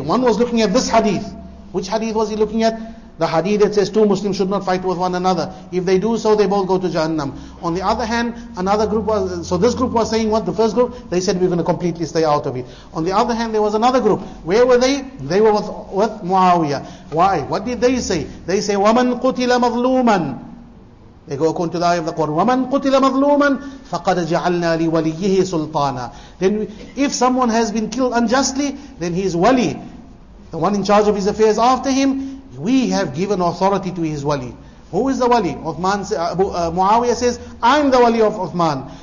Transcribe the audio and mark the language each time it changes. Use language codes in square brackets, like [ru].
[en] One was looking at this hadith. Which hadith was he looking at? The hadith that says two Muslims should not fight with one another. If they do so, they both go to Jahannam. On the other hand, the first group, they said we're going to completely stay out of it. On the other hand, there was another group. Where were they? They were with Muawiyah. Why? What did they say? They say, [ar] وَمَنْ قُتِلَ مَظْلُومًا. [en] They go according to the ayah of the Quran, [ar] وَمَنْ قُتِلَ مَظْلُومًا فَقَدَ جَعَلْنَا لِوَلِيِّهِ سُلْطَانًا. [en] Then if someone has been killed unjustly, then he is wali. The one in charge of his affairs after him, we have given authority to his wali. Who is the wali? Muawiyah says, I'm the wali of Uthman.